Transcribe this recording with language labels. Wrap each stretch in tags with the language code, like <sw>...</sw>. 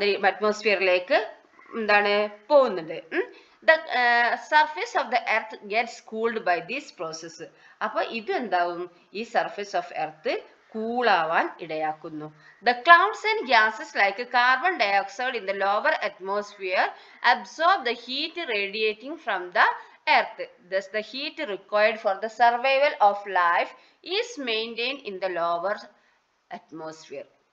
<ml>അറ്റ്മോസ്ഫിയറിലേക്ക് എന്താണ് പോകുന്നുണ്ട്.</ml> <en>The surface of the earth gets cooled by this process.</en> <ml>അപ്പൊ ഇത് എന്താവും, ഈ സർഫേസ് ഓഫ് എർത്ത് കൂൾ ആവാൻ ഇടയാക്കുന്നു.</ml> <en>The clouds and gases like carbon dioxide in the lower atmosphere absorb the heat radiating from the earth. Thus the heat required for the survival of life is maintain in the lower atmosphere.</en>